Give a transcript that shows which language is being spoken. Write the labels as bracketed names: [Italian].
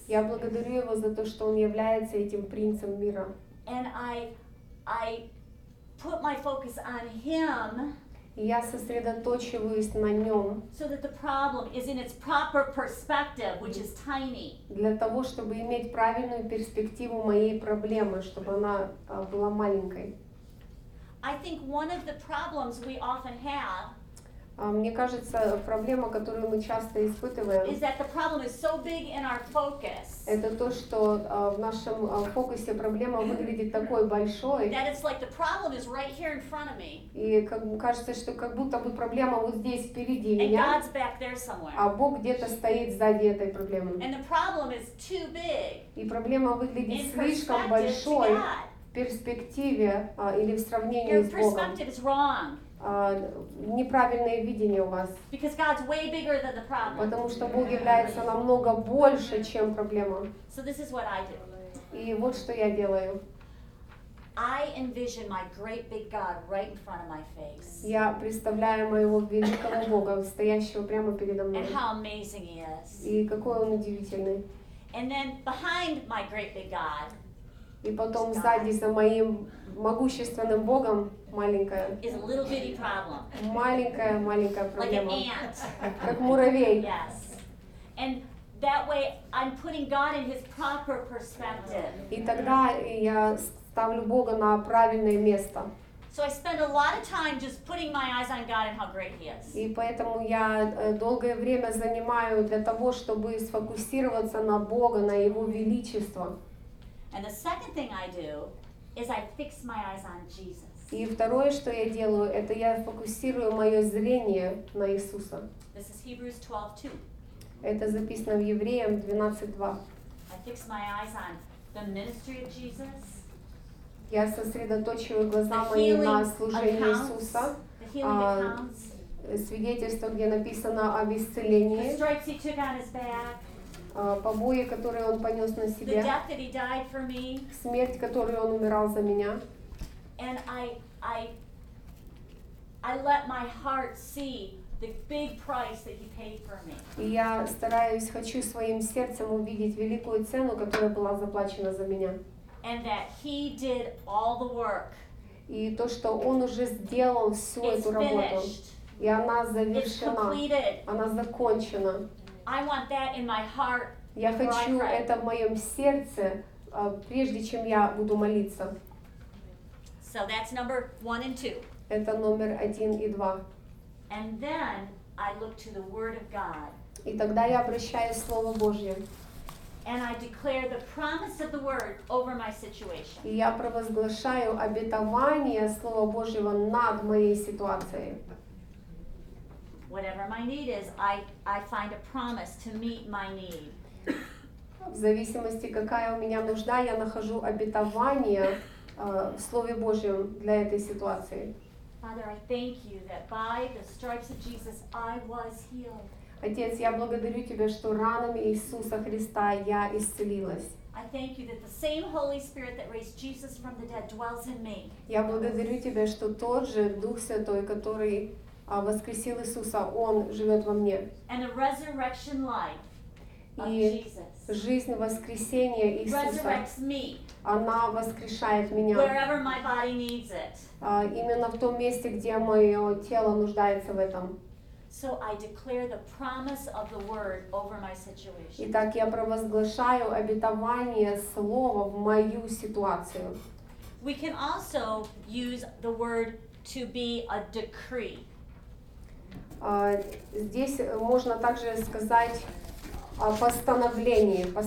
[Russian] Я благодарю его за то, что он является этим принцем мира. [English] And I put my focus on him. [Russian] Я сосредоточиваюсь на нем. [English] So that the problem is in its proper perspective, which is tiny. [Russian] Для того, чтобы иметь правильную перспективу моей проблемы, чтобы она была маленькой. [English] I think one of the problems we often have. [Russian] Мне кажется, проблема, которую мы часто испытываем, [English] is that the problem is so big in our focus. [Russian] Это то, что в нашем фокусе проблема выглядит такой большой. [English] That it's like the problem is right here in front of me. [Russian] И как кажется, что как будто бы проблема вот здесь впереди [English] and [Russian] меня. [English] And God's back there somewhere. [Russian] А Бог где-то стоит сзади этой проблемы. [English] And the problem is too big. [Russian] И проблема выглядит слишком большой в перспективе или в сравнении [English] your [Russian] с Богом. [English] Your perspective is wrong. [Russian] Неправильное видение у вас. [English] Because God's way bigger than the problem. [Russian] Потому что Бог является намного больше, чем проблема. [English] So this is what I do. [Russian] И вот что я делаю. [English] I envision my great big God right in front of my face. [Russian] Я представляю моего великого Бога, стоящего прямо передо мной. [English] And how amazing he is. [Russian] И какой он удивительный. [English] And then behind my great big God. [Russian] И потом сзади за моим могущественным Богом маленькая. [English] Is a little bitty problem. [Russian] Маленькая проблема. [English] Like an ant. [Russian] Как муравей. [English] Yes. And that way I'm putting God in his proper perspective. [Russian] И тогда я ставлю Бога на правильное место. [English] So I spend a lot of time just putting my eyes on God and how great he is. [Russian] И поэтому я долгое время занимаю для того, чтобы сфокусироваться на Бога, на его величество. [English] And the second thing I do is I fix my eyes on Jesus. [Russian] И второе, что я делаю, это я фокусирую моё зрение на Иисуса. [English] This is Hebrews 12:2. [Russian] Это записано в Евреям 12:2. [English] I fix my eyes on the ministry of Jesus. [Russian] Я сосредоточиваю глаза мои на служении Иисуса. [English] The healing accounts. [Russian] Свидетельство, где написано об исцелении. [English] The stripes he took on his back. [Russian] Побои, которые он понес на себе, [English] the death that he died for me, [Russian] смерть, которую он умирал за меня, [English] and I let my heart see the big price that he paid for me. [Russian] И я стараюсь, хочу своим сердцем увидеть великую цену, которая была заплачена за меня, [English] and that he did all the work. [Russian] И то, что он уже сделал всю [English] it's [Russian] эту работу, [English] finished. [Russian] И она завершена, она закончена. [English] I want that in my heart. [Russian] Я хочу это в моём сердце, прежде чем я буду молиться. [English] So that's number 1 and 2. [Russian] Это номер 1 и 2. [English] And then I look to the word of God. [Russian] И тогда я обращаюсь к слову Божьему. [English] And I declare the promise of the word over my situation. [Russian] И я провозглашаю обетование слова Божьего над моей ситуацией. [English] Whatever my need is, I find a promise to meet my need. [Russian] В зависимости, какая у меня нужда, я нахожу обетование в Слове Божьем для этой ситуации. [English] Father, I thank you that by the stripes of Jesus I was healed. [Russian] Отец, я благодарю тебя, что ранами Иисуса Христа я исцелилась. [English] I thank you that the same Holy Spirit that raised Jesus from the dead dwells in me. [Russian] Я благодарю тебя, что тот же Дух Святой, который воскресил Иисуса, Он живет во мне. [English] And a resurrection life of [Russian] и [English] Jesus. [Russian] Жизнь воскресения Иисуса, [English] me. [Russian] Она воскрешает меня. [English] Wherever my body needs it. [Russian] Именно в том месте, где мое тело нуждается в этом. [English] So I declare the promise of the word over my situation. [Russian] Итак, я провозглашаю обетование слова в мою ситуацию. [English] We can also use the word to be a decree. [Russian] Здесь можно также сказать о постановлении.